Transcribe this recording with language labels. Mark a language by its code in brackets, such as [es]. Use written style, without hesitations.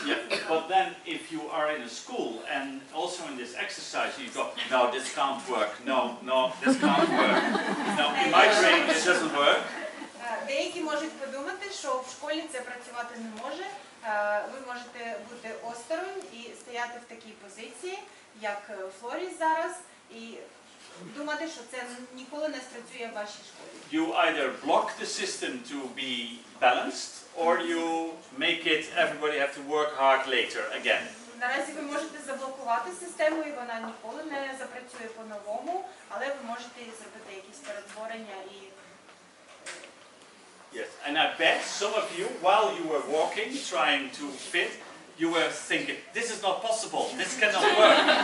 [en] Yeah, but then if you are in a school and also in this exercise you go, no, this can't work, no, this can't work, no, in my brain this doesn't work. [uk] Деякі можуть подумати, що в школі це працювати не може. Ви можете бути осторонь і стояти в такій позиції, як ФЛОРІС зараз, і думати, що це ніколи не спрацює в вашій школі. [en] You either block the system to be balanced, or you make it everybody have to work hard later again. [uk] Наразі ви можете заблокувати систему, і вона ніколи не запрацює по-новому, але ви можете зробити якісь перетворення і... [en] Yes, and I bet some of you, while you were walking, trying to fit, you were thinking, this is not possible, this cannot work.